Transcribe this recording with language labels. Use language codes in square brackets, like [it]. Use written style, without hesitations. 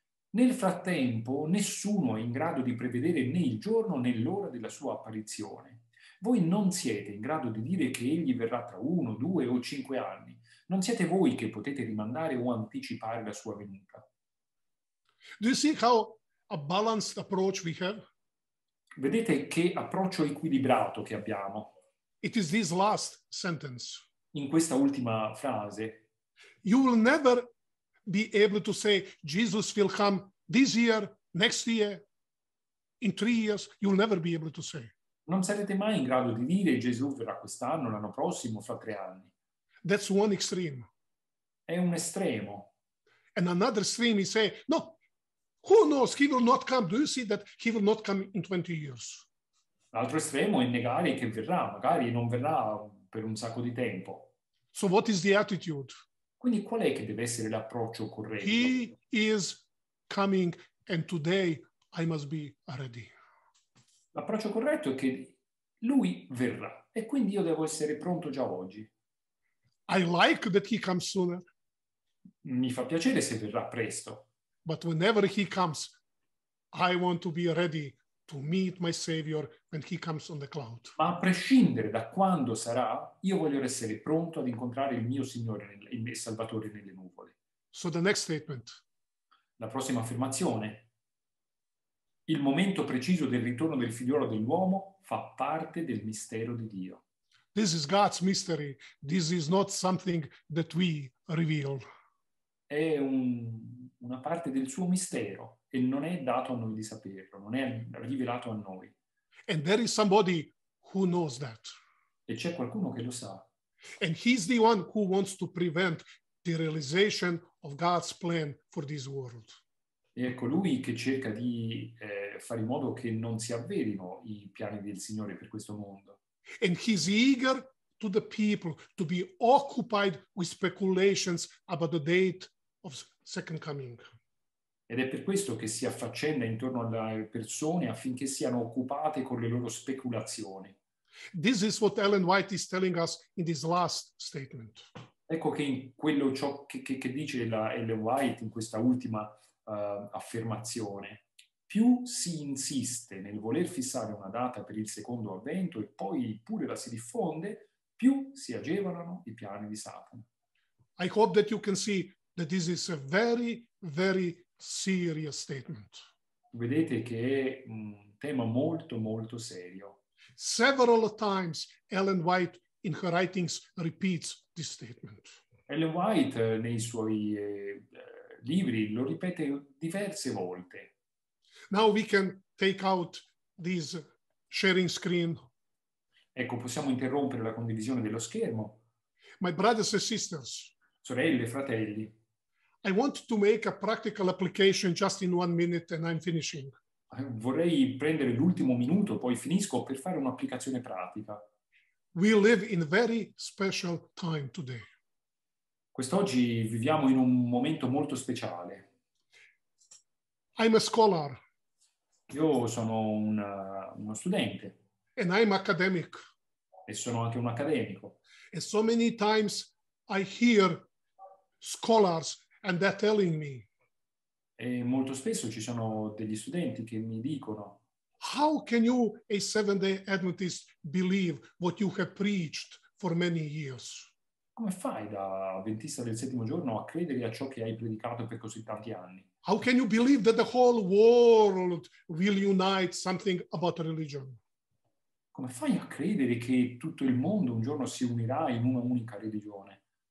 [it] Nel frattempo, nessuno è in grado di prevedere né il giorno né l'ora della sua apparizione. Voi non siete in grado di dire che egli verrà tra 1, 2 o 5 anni. Non siete voi che potete rimandare o anticipare la sua venuta. [en] Do you see how a balanced approach we have? [it] Vedete che approccio equilibrato che abbiamo. [en] It is this last sentence. [it] In questa ultima frase. [en] You will never be able to say Jesus will come this year, next year, in 3 years, you will never be able to say. [it] Non sarete mai in grado di dire Gesù verrà quest'anno, l'anno prossimo, fra 3 anni. [en] That's one extreme. [it] È un estremo. [en] And another extreme is say, no, who knows, he will not come. Do you see that he will not come in 20 years? [it] L'altro estremo è negare che verrà, magari non verrà per un sacco di tempo. [en] So what is the attitude? [it] Quindi qual è che deve essere l'approccio corretto? [en] He is coming and today I must be ready. [it] L'approccio corretto è che lui verrà e quindi io devo essere pronto già oggi. [en] I like that he comes sooner. [it] Mi fa piacere se verrà presto. [en] But whenever he comes, I want to be ready to meet my Savior when he comes on the cloud. [it] Ma a prescindere da quando sarà, io voglio essere pronto ad incontrare il mio Signore, il mio Salvatore nelle nuvole. [en] So the next statement. [it] La prossima affermazione. Il momento preciso del ritorno del figliolo dell'uomo fa parte del mistero di Dio. [en] This is God's mystery. This is not something that we reveal. [it] È una parte del suo mistero e non è dato a noi di saperlo, non è rivelato a noi. [en] And there is somebody who knows that. [it] E c'è qualcuno che lo sa. [en] And he's the one who wants to prevent the realization of God's plan for this world. [it] E è colui che cerca di fare in modo che non si avverino i piani del Signore per questo mondo. [en] And he's eager to the people to be occupied with speculations about the date of second coming. [it] Ed è per questo che si affaccenda intorno alle persone affinché siano occupate con le loro speculazioni. [en] This is what Ellen White is telling us in this last statement. [it] Ecco che in quello ciò che dice la Ellen White in questa ultima affermazione. Più si insiste nel voler fissare una data per il secondo avvento e poi pure la si diffonde, più si agevolano i piani di Satana. [en] I hope that you can see that this is a very, very serious statement. [it] Vedete che è un tema molto, molto serio. [en] Several times Ellen White in her writings repeats this statement. [it] Ellen White nei suoi libri lo ripete diverse volte. [en] Now we can take out this sharing screen. [it] Ecco, possiamo interrompere la condivisione dello schermo. [en] My brothers and sisters. [it] Sorelle, fratelli. [en] I want to make a practical application just in 1 minute and I'm finishing. [it] Vorrei prendere l'ultimo minuto, poi finisco, per fare un'applicazione pratica. [en] We live in a very special time today. [it] Quest'oggi viviamo in un momento molto speciale. [en] I'm a scholar. [it] Io sono uno studente. [en] And I'm academic. [it] E sono anche un accademico. [en] And so many times I hear scholars and they're telling me. [it] E molto spesso ci sono degli studenti che mi dicono: [en] How can you, a Seventh-day Adventist, believe what you have preached for many years? [it] Come fai da Adventista del settimo giorno a credere a ciò che hai predicato per così tanti anni? [en] How can you believe that the whole world will unite something about religion? [it] Come fai a credere che tutto il mondo un giorno si unirà in una unica religione?